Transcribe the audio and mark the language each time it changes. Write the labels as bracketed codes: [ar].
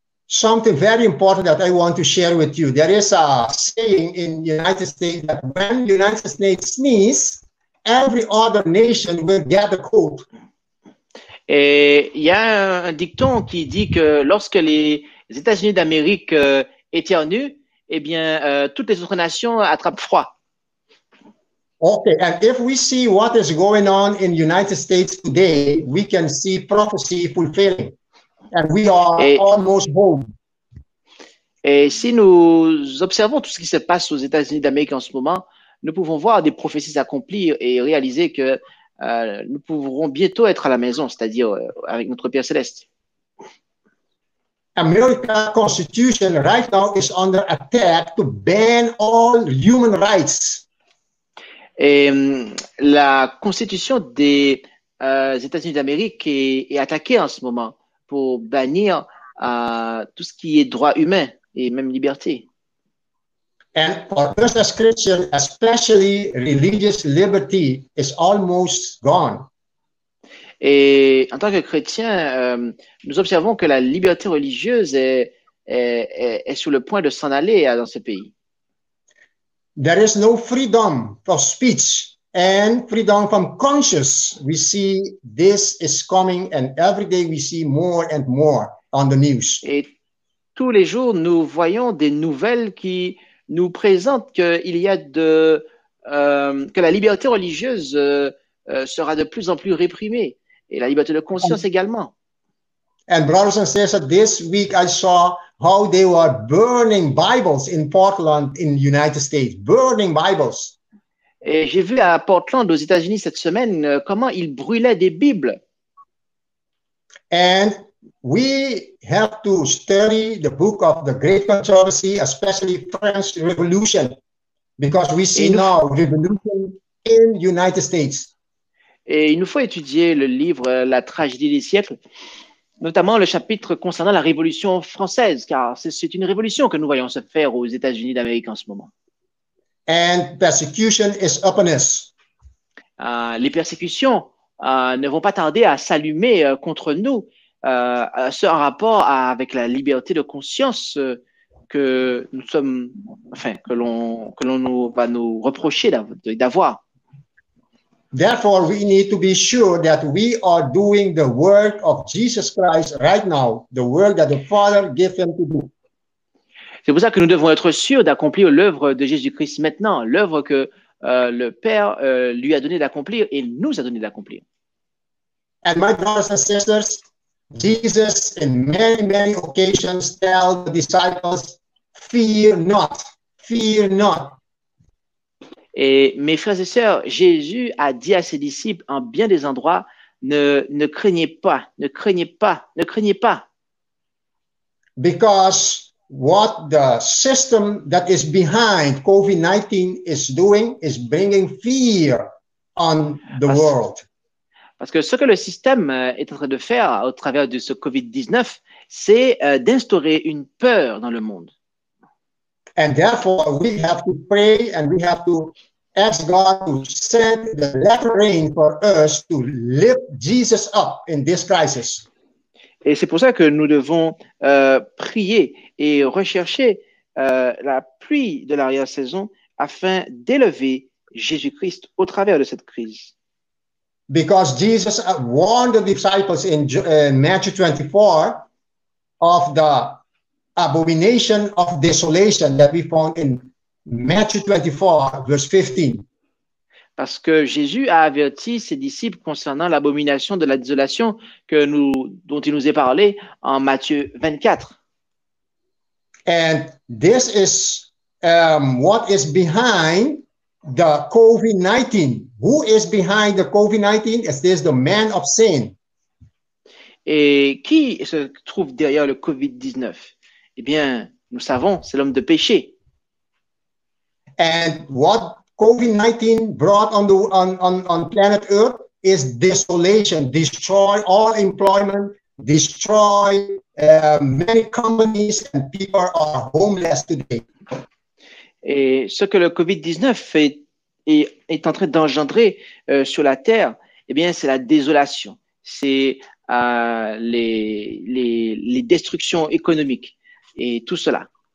[en] Something very important that I want to share with you. There is a saying in the United States that when the United States sneezes, every other nation will get a cold. [fr] Et il y a un dicton qui dit que lorsque les États-Unis d'Amérique éternuent, eh bien, toutes les autres nations attrapent froid. [en] Okay, and if we see what is going on in the United States today, we can see prophecy fulfilling, and we are almost home. [fr] Et si nous observons tout ce qui se passe aux États-Unis d'Amérique en ce moment, nous pouvons voir des prophéties s'accomplir et réaliser que nous pourrons bientôt être à la maison, c'est-à-dire avec notre Père Céleste. [en] America's Constitution right now is under attack to ban all human rights. [fr] Et la Constitution des États-Unis d'Amérique est attaquée en ce moment pour bannir tout ce qui est droit humain et même liberté. [en] And for us as Christians, especially religious liberty is almost gone. [fr] Et en tant que chrétien, nous observons que la liberté religieuse est sur le point de s'en aller dans ce pays. [en] There is no freedom for speech and freedom from conscience. We see this is coming and every day we see more and more on the news. [fr] Et tous les jours, nous voyons des nouvelles qui nous présentent qu'il y a que la liberté religieuse sera de plus en plus réprimée. Et la liberté de conscience également. [en] And brothers and sisters, this week I saw how they were burning Bibles in Portland, in the United States, burning Bibles. [fr] Et j'ai vu à Portland, aux États-Unis, cette semaine, comment ils brûlaient des Bibles. [en] And we have to study the book of the Great Controversy, especially French Revolution, because we see now revolution in the United States. [fr] Et il nous faut étudier le livre « La tragédie des siècles », notamment le chapitre concernant la Révolution française, car c'est une révolution que nous voyons se faire aux États-Unis d'Amérique en ce moment. [en] And persecution is upon us. [fr] Les persécutions ne vont pas tarder à s'allumer contre nous, ce en rapport avec la liberté de conscience que nous sommes, enfin, que l'on nous va nous reprocher d'avoir. [en] Therefore, we need to be sure that we are doing the work of Jesus Christ right now, the work that the Father gave him to do. [fr] C'est pour ça que nous devons être sûrs d'accomplir l'œuvre de Jésus-Christ maintenant, l'œuvre que le Père lui a donné d'accomplir et nous a donné d'accomplir. [en] And my brothers and sisters, Jesus, in many, many occasions, tells the disciples, "Fear not, fear not." [fr] Et mes frères et sœurs, Jésus a dit à ses disciples en bien des endroits, ne craignez pas, ne craignez pas, ne craignez pas. [en] Because what the system that is behind COVID-19 is doing is bringing fear on the world. [fr] Parce que ce que le système est en train de faire au travers de ce COVID-19, c'est d'instaurer une peur dans le monde. [en] And therefore, we have to pray and we have to ask God to send the latter rain for us to lift Jesus up in this crisis. [fr] Et c'est pour ça que nous devons prier et rechercher la pluie de l'arrière-saison afin d'élever Jésus-Christ au travers de cette crise. [en] Because Jesus warned the disciples in Matthew 24 of the abomination of desolation that we found in Matthew 24, verse 15. [fr] Parce que Jésus a averti ses disciples concernant l'abomination de la désolation dont il nous est parlé en Matthieu 24. [en] And this is what is behind the COVID-19. Who is behind the COVID-19? It is the man of sin. [fr] Et qui se trouve derrière le COVID-19? Eh bien, nous savons, c'est l'homme de péché. [en] And what COVID-19 brought on planet Earth is desolation, destroy all employment, destroy many companies, and people are homeless today. [fr] Et ce que le COVID-19 est en train d'engendrer sur la Terre, eh bien, c'est la désolation, c'est les destructions économiques et tout cela.